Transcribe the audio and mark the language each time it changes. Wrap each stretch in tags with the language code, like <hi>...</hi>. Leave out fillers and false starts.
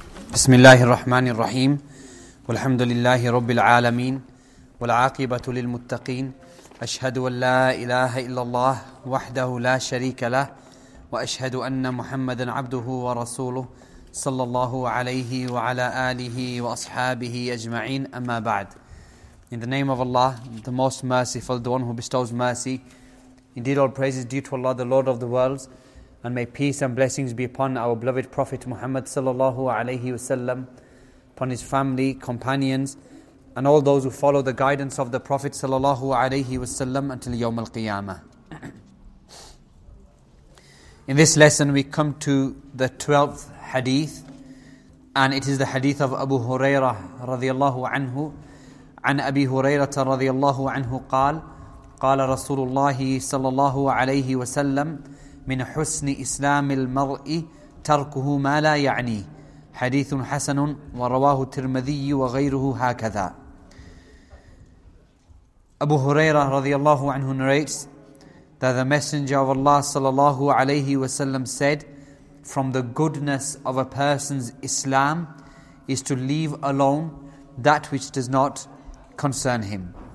<ar>بسم الله الرحمن الرحيم والحمد لله رب العالمين والعاقبة للمتقين أشهد أن لا إله إلا الله وحده لا شريك له وأشهد أن محمدا عبده ورسوله صلى الله عليه وعلى آله وأصحابه أجمعين أما بعد.</ar> <en>In the name of Allah, the most merciful, the one who bestows mercy. Indeed, all praise is due to Allah, the Lord of the worlds. And may peace and blessings be upon our beloved Prophet Muhammad sallallahu alayhi wasallam, upon his family, companions, and all those who follow the guidance of the Prophet sallallahu alayhi wasallam until Yawm al-Qiyamah. In this lesson, we come to the 12th hadith, and it is the hadith of Abu Hurairah radiallahu anhu.</en> <ar>An Abi Hurairah radiallahu anhu qal, qala Rasulullah sallallahu alayhi wasallam, من حسن إسلام المرء تركه ما لا يعني حديث حسن ورواه الترمذي وغيره هكذا.</ar> <en>Abu Hurairah</en> <ar>رضي الله عنه</ar> <en>narrates that the Messenger of Allah</en> <ar>صلى الله عليه وسلم</ar> <en>said, from the goodness of a person's Islam is to leave alone that which does not concern him.</en>